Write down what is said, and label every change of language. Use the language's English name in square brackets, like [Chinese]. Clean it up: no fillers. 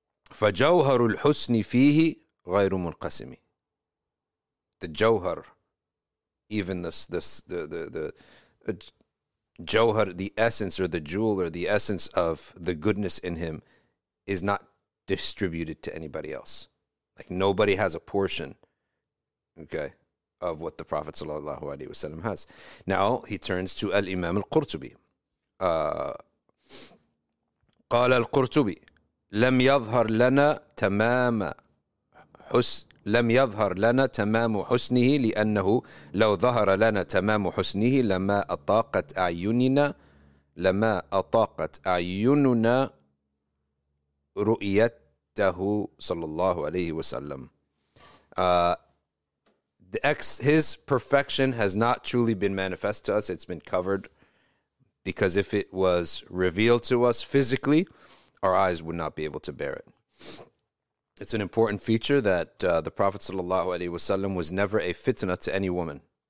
[Arabic] فَجَوْهَرُ الْحُسْنِ فِيهِ غَيْرُ مُنْقَسِمِ [English] The jawhar, even the jawhar, the essence or the jewel or the essence of the goodness in him is not distributed to anybody else. Like, nobody has a portion, okay, of what the Prophet sallallahu alaihi wasallam has. Now he turns to Al-Imam Al-Qurtubi. [Arabic] قَالَ الْقُرْتُبِي لم يظهر لنا تمام لم يظهر لنا تمام حسنه لأنه لو ظهر لنا تمام حسنه لما أطاقت أعيننا رؤيته صلى الله عليه وسلم. [English] His perfection has not truly been manifest to us. It's been covered, because if it was revealed to us physically, our eyes would not be able to bear it. It's an important feature that the Prophet sallallahu alaihi wasallam was never a fitna to any woman.